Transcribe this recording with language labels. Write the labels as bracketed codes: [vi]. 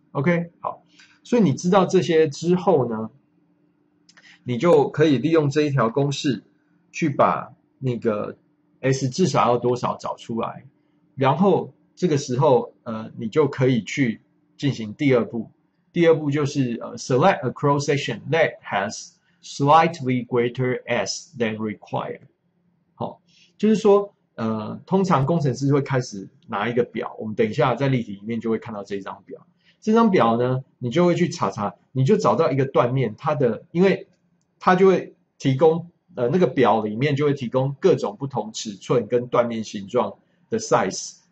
[zh] OK，好，所以你知道这些之后呢，你就可以利用这一条公式去把那个 S 至少要多少找出来，然后这个时候你就可以去进行第二步。第二步就是 [en] select a cross section that has slightly greater S than required。 [zh] 好，就是说通常工程师会开始拿一个表，我们等一下在例题里面就会看到这张表。这张表呢，你就会去查查，你就找到一个断面，它的因为它就会提供那个表里面就会提供各种不同尺寸跟断面形状的 size。